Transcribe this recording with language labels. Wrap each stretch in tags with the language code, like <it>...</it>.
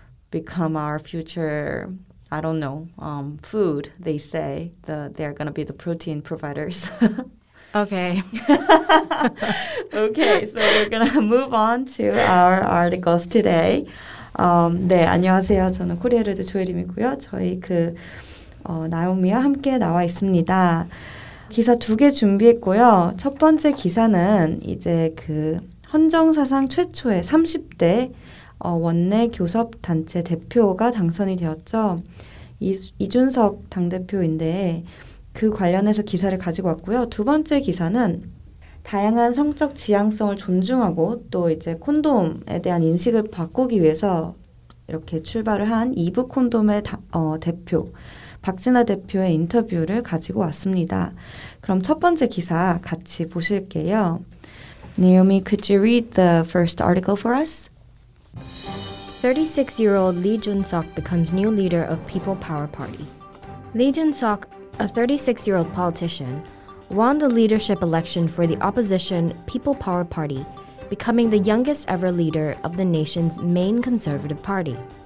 <en>Become our future, I don't know, food, they say. They're going to be the protein providers. Okay. Okay, so we're going to move on to our articles today.</en> <ko>네, 안녕하세요. 저는 코리아헤럴드 조혜림이고요. 저희 나오미와 함께 나와 있습니다. 기사 두 개 준비했고요. 첫 번째 기사는 이제 헌정사상 최초의 30대 원내 교섭 단체 대표가 당선이 되었죠. 이준석 당대표인데 그 관련해서 기사를 가지고 왔고요. 두 번째 기사는 다양한 성적 지향성을 존중하고 또 이제 콘돔에 대한 인식을 바꾸기 위해서 이렇게 출발을 한 이브콘돔의 대표 박진아 대표의 인터뷰를 가지고 왔습니다. 그럼 첫 번째 기사 같이 보실게요.</ko> <en>Naomi, could you read the first article for us? 36-year-old Lee Jun-seok becomes new leader of People Power Party. Lee Jun-seok, a 36-year-old politician, won the leadership election for the opposition People Power Party, becoming the youngest ever leader of the nation's main conservative party.</en>